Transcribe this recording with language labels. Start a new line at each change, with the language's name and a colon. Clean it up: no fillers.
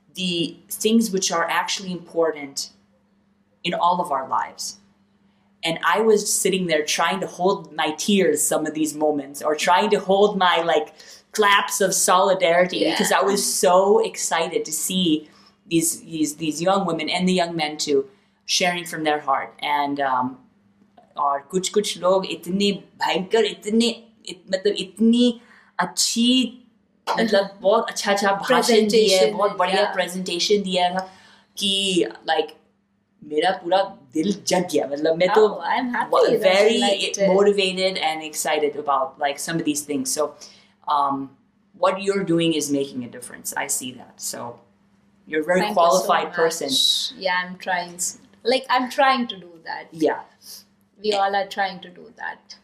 English: the things which are actually important in all of our lives. And I was sitting there trying to hold my tears some of these moments, or trying to hold my like claps of solidarity, yeah, because I was so excited to see these young women and the young men too sharing from their heart. And
Hindi: और कुछ कुछ लोग इतने भयंकर इतने मतलब इतनी अच्छी मतलब बहुत अच्छा अच्छा भाषण दिया, बहुत बढ़िया presentation दिया कि like मेरा पूरा दिल जग गया, मतलब मैं तो
English: I'm happy, very motivated and excited about like some of these things. So what you're doing is making a difference. I see that. So you're a very Thank qualified you so person. Much. Yeah, I'm trying. Like, I'm trying to do that. Yeah. We all are trying to do that.